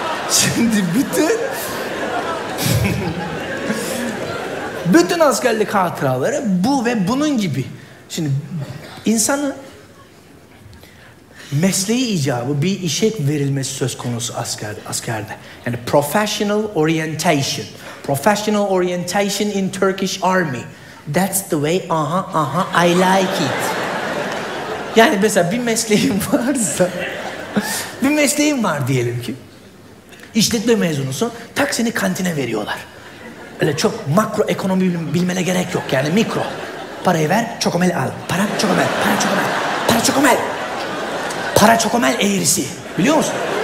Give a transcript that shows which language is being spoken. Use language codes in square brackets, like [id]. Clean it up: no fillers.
[tr] Şimdi bütün... bütün askerlik hatıraları bu ve bunun gibi. Şimdi insanı... Mesleği icabı bir işe verilmesi söz konusu askerde. [en] Yani professional orientation. Professional orientation in Turkish Army. That's the way, aha aha, I like it. [tr] Yani mesela bir mesleğim varsa, bir mesleğim var diyelim ki, işletme mezunusun, taksini kantine veriyorlar. Öyle çok makro ekonomi bilmene gerek yok yani mikro. Parayı ver, çokomel al. Para çokomel, para çokomel, para çokomel. Para çokomel eğrisi, biliyor musun?